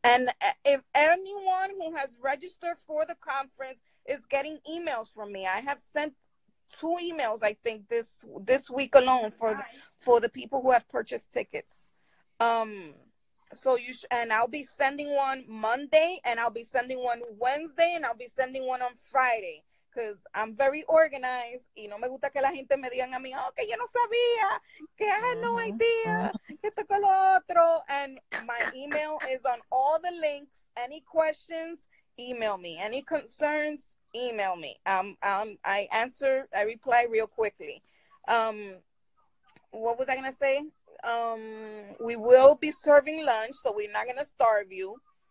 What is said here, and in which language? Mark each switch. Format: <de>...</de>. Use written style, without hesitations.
<en>And if anyone who has registered for the conference is getting emails from me, I have sent two emails, I think, this week alone for the people who have purchased tickets. So you and I'll be sending one Monday, and I'll be sending one Wednesday, and I'll be sending one on Friday. Because I'm very organized.</en> <es>Y no me gusta que la gente me digan a mí, oh, que yo no sabía, que</es> <en>I had no idea,</en> <es>que esto que lo otro.</es> <en>And my email is on all the links. Any questions, email me. Any concerns, email me. I answer, I reply real quickly. What was I going to say? We will be serving lunch, so we're not going to starve you.</en>